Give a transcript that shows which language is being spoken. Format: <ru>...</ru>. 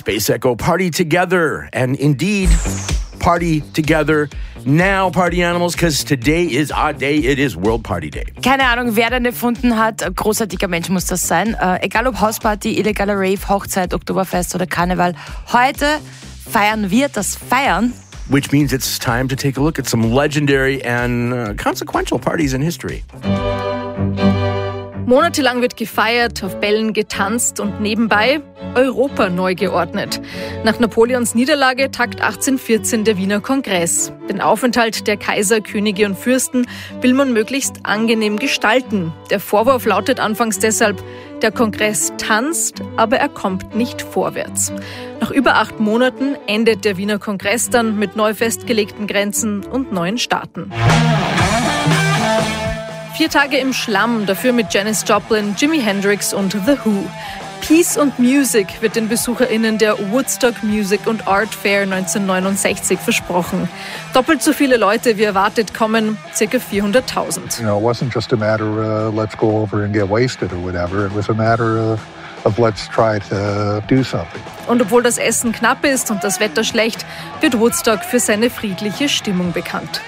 <en>Echo Party Together, and indeed Party Together now, Party Animals, because today is our day. It is World Party Day.</en> <de>Keine Ahnung, wer den erfunden hat. Ein großartiger Mensch muss das sein. Egal ob Hausparty, illegaler Rave, Hochzeit, Oktoberfest oder Karneval. Heute feiern wir das Feiern.</de> <en>Which means it's time to take a look at some legendary and consequential parties in history.</en> <de>Monatelang wird gefeiert, auf Bällen getanzt und nebenbei Europa neu geordnet. Nach Napoleons Niederlage tagt 1814 der Wiener Kongress. Den Aufenthalt der Kaiser, Könige und Fürsten will man möglichst angenehm gestalten. Der Vorwurf lautet anfangs deshalb, der Kongress tanzt, aber er kommt nicht vorwärts. Nach über 8 Monaten endet der Wiener Kongress dann mit neu festgelegten Grenzen und neuen Staaten. 4 Tage im Schlamm, dafür mit Janis Joplin, Jimi Hendrix und The Who.</de> <en>Peace and Music</en> <de>wird den BesucherInnen der Woodstock Music and Art Fair 1969 versprochen. Doppelt so viele Leute wie erwartet kommen, ca. 400.000.</de> <en>You know, it wasn't just a matter of let's go over and get wasted or whatever. It was a matter of let's try to do something.</en> <de>Und obwohl das Essen knapp ist und das Wetter schlecht, wird Woodstock für seine friedliche Stimmung bekannt.</de>